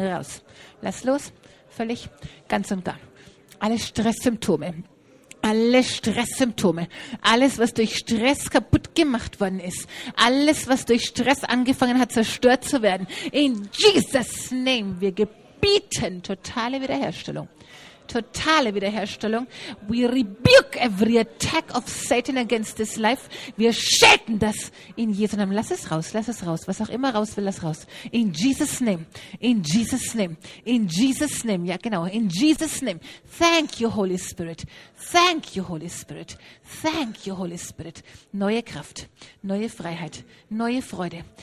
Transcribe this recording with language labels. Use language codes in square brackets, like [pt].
[de] Raus. Lass los. Völlig. Ganz und gar. Alle Stresssymptome. Alle Stresssymptome, alles, was durch Stress kaputt gemacht worden ist, alles, was durch Stress angefangen hat, zerstört zu werden, [en] in Jesus' name, [de] wir gebieten totale Wiederherstellung. Totale Wiederherstellung. [en] We rebuke every attack of Satan against this life. [de] Wir schäden das in Jesu Namen. Lass es raus, was auch immer raus will, lass raus. [en] In Jesus' name, in Jesus' name, in Jesus' name, [de] ja genau, [en] in Jesus' name. Thank you, Holy Spirit, thank you, Holy Spirit, thank you, Holy Spirit. [de] Neue Kraft, neue Freiheit, neue Freude.